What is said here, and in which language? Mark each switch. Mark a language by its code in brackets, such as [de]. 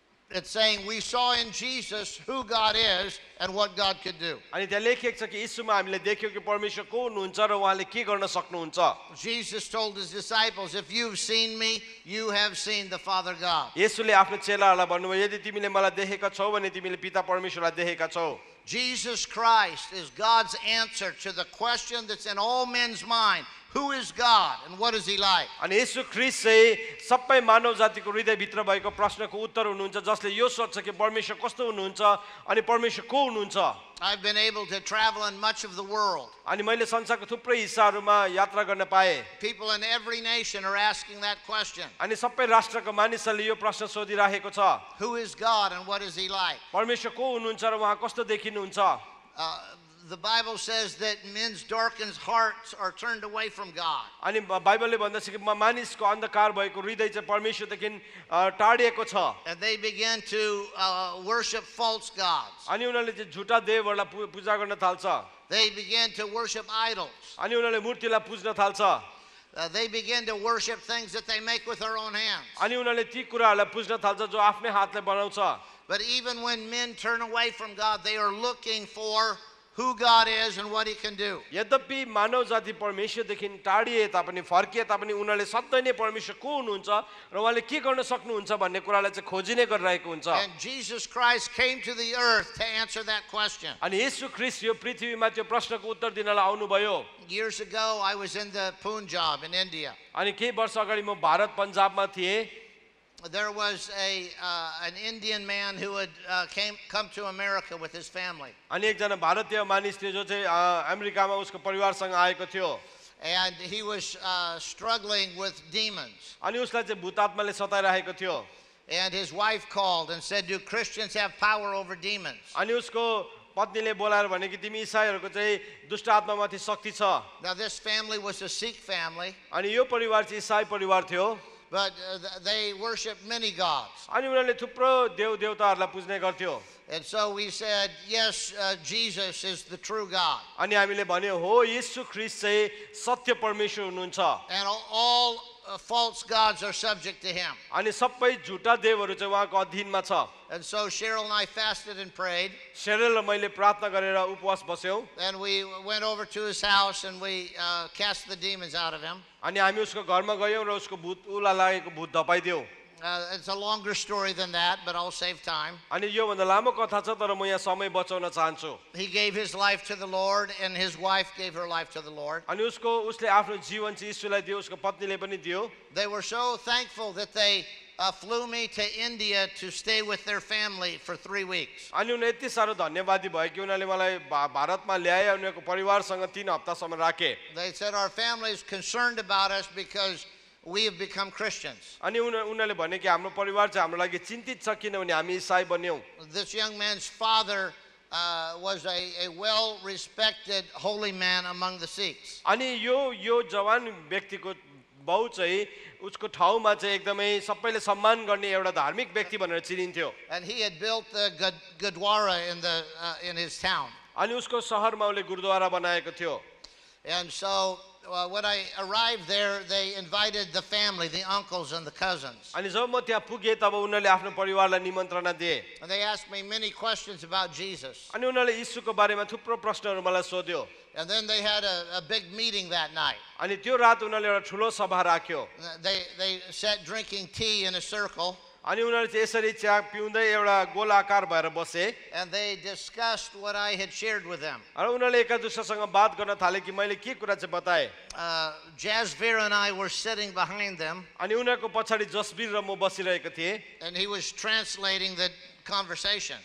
[en] It's saying we saw in Jesus who God is and what God could do. [ne] अनि त्यहाँ लेखिएको छ कि यीशुमा हामीले देख्यौ कि परमेश्वर को हुनुहुन्छ र उहाँले के गर्न सक्नुहुन्छ. [en] Jesus told his disciples, if you've seen me, you have seen the Father God. [ne] यीशुले आफ्नो चेलाहरूलाई भन्नुभयो यदि तिमीले मलाई देखेका छौ भने तिमीले पिता परमेश्वरलाई देखेका छौ. [en] Jesus Christ is God's answer to the question that's in all men's mind. Who is God and what is he like? [ne] अनि येशू ख्रीष्ट चाहिँ सबै मानव जातिको हृदय भित्र भएको प्रश्नको उत्तर हुनुहुन्छ जसले यो सोच्छ कि परमेश्वर कस्तो हुनुहुन्छ अनि परमेश्वर को हुनुहुन्छ. [en] I've been able to travel in much of the world. [ne] अनि मैले संसारको थुप्रै हिस्साहरूमा यात्रा गर्न पाए. [en] People in every nation are asking that question. [ne] अनि सबै राष्ट्रको मानिसहरूले यो प्रश्न सोधिराखेको छ. [en] Who is God and what is he like? [ne] परमेश्वर को हुनुहुन्छ र उहाँ कस्तो देखिनुहुन्छ? [en] The Bible says that men's darkened hearts are turned away from God. [ne] अनि बाइबलले भन्दछ कि मानिसको अन्धकार भएको हृदय चाहिँ परमेश्वरदेखि टाढिएको छ. [en] And they began to worship false gods. [ne] अनि उनीहरूले चाहिँ झुटा देवहरूलाई पूजा गर्न थाल्छ. [en] They began to worship idols. [ne] अनि उनीहरूले मूर्तिलाई पुज्न थाल्छ. [en] They began to worship things that they make with their own hands. [ne] अनि उनीहरूले ती कुराहरूलाई पुज्न थाल्छ जो आफ्नै हातले बनाउँछ. [en] But even when men turn away from God, they are looking for who God is and what he can do. [ne] यद्यपि मानव जाति परमेश्वर देखिन टाढिए तापनि फर्किए तापनि उनीहरूले सत्य नै परमेश्वर को हुनुहुन्छ र उहाँले के गर्न सक्नुहुन्छ भन्ने कुरालाई चाहिँ खोजिने गरिरहेको हुन्छ. [en] And Jesus Christ came to the earth to answer that question. [ne] अनि येशू ख्रीष्ट यो पृथ्वीमा त्यो प्रश्नको उत्तर दिनलाई आउनुभयो. [en] Years ago I was in the Punjab in India. [ne] अनि केही वर्ष अगाडि म भारत पञ्जाबमा थिए. [en] There was an Indian man who had come to America with his family. [ne] अनेक जना भारतीय मानिस थिए जो चाहिँ अमेरिकामा उसको परिवारसँग आएको थियो. [en] And he was struggling with demons. [ne] अनि उसलाई चाहिँ भूतात्माले सताइरहेको थियो. [en] And his wife called and said, "Do Christians have power over demons?" [ne] अनि उसको पत्नीले बोलाएर भने कि तिमी इसाईहरूको चाहिँ दुष्ट आत्मामाथि शक्ति छ. [en] Now this family was a Sikh family. [ne] अनि यो परिवार चाहिँ इसाई परिवार थियो. [en] But they worship many gods. [ne] अनि उनीहरूले थुप्रो देव देवताहरूलाई पुज्ने गर्थ्यो. [en] And so we said, yes, Jesus is the true God. [ne] अनि हामीले भन्यो हो येशू ख्रीष्ट चाहिँ सत्य परमेश्वर हुनुहुन्छ. [en] And all false gods are subject to him. [ne] अनि सबै झुटा देवहरू चाहिँ उहाँको अधीनमा छ. [en] And so Cheryl and I fasted and prayed. [ne] Cheryl र मैले प्रार्थना गरेर उपवास बस्यौ. [en] And we went over to his house and we cast the demons out of him. [ne] अनि हामी उसको घरमा गयौ र उसको भूत उला लागेको भूत धपाइदियौ. [en] It's a longer story than that, but I'll save time. [ne] अनि यो भन्दा लामो कथा छ तर म यहाँ समय बचाउन चाहन्छु. [en] He gave his life to the Lord and his wife gave her life to the Lord. [ne] अनि उसको उसले आफ्नो जीवन चाहिँ येशूलाई दियो उसको पत्नीले पनि दियो. [en] They were so thankful that they flew me to India to stay with their family for 3 weeks. [ne] अनि उनी यति साह्रो धन्यवादी भए कि उनीहरूले मलाई भारतमा ल्याए उनीहरूको परिवारसँग 3 हप्तासम्म राखे. [en] They said our family is concerned about us because we have become Christians. [ne] अनि उनीहरूले भने कि हाम्रो परिवार चाहिँ हाम्रो लागि चिन्तित छ किनभने हामी इसाई बन्यौ. [en] This young man's father was a well respected holy man among the Sikhs. [ne] अनि यो जवान व्यक्तिको बहु चाहिँ उसको ठाउँमा चाहिँ एकदमै सबैले सम्मान गर्ने एउटा धार्मिक व्यक्ति भनेर चिनिन्थ्यो. [en] And he had built the gurdwara in the in his town. [ne] अनि उसको शहरमा उसले गुरुद्वारा बनाएको थियो. [en] And so when I arrived there, they invited the family, the uncles and the cousins. [ne] अनि जब म त्यहाँ पुगे तब उनीहरूले आफ्नो परिवारलाई निमन्त्रणा दिए. [en] And they asked me many questions about Jesus. [ne] अनि उनीहरूले येशूको बारेमा थुप्रो प्रश्नहरू मलाई सोध्यो. [en] And then they had a big meeting that night. [ne] अनि त्यो रात उनीहरूले एउटा ठूलो सभा राख्यो. [en] They sat drinking tea in a circle. [ne] अनि उनीहरू चाहिँ यसरी चिया पिउँदै एउटा गोलाकार भएर बसे. [en] And they discussed what I had shared with them. [ne] अनि उनीहरूले एकादुसरासँग बात गर्न थाले कि मैले के कुरा चाहिँ बताए. [en] Jasbir and I were sitting behind them. [ne] अनि उनीहरूको पछाडि जसबीर र म बसिरहेको थिए. [en] And he was translating the conversation.